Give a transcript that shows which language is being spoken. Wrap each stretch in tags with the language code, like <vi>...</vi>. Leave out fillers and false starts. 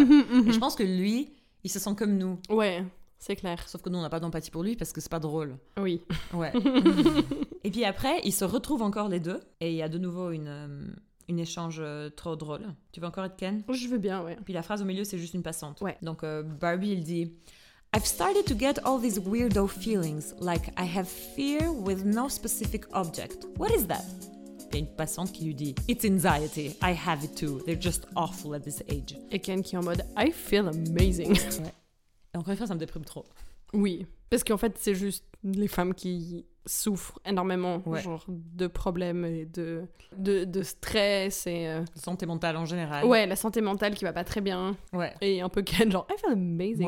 <fr>Et je pense que lui, il se sent comme nous. Ouais, c'est clair. Sauf que nous, on n'a pas d'empathie pour lui, parce que c'est pas drôle. Oui. Ouais. Et puis après, ils se retrouvent encore les deux, et il y a de nouveau une échange trop drôle. Tu veux encore être Ken ? Je veux bien, ouais. Puis la phrase au milieu, c'est juste une passante. Ouais. Donc Barbie, il dit...</fr> <en>I've started to get all these weirdo feelings, like I have fear with no specific object. What is that?</en> <fr>Il y a une passante qui lui dit,</fr> <en>it's anxiety, I have it too, they're just awful at this age.</en> <fr>Et Ken qui est en mode,</fr> <en>I feel amazing.</en> <fr>Ouais. Et encore une fois, ça me déprime trop. Oui, parce qu'en fait, c'est juste les femmes qui souffrent énormément, ouais, genre de problèmes et de stress et... La santé mentale en général. Ouais, la santé mentale qui va pas très bien. Ouais. Et un peu Ken, genre,</fr> <en>I feel amazing.</en>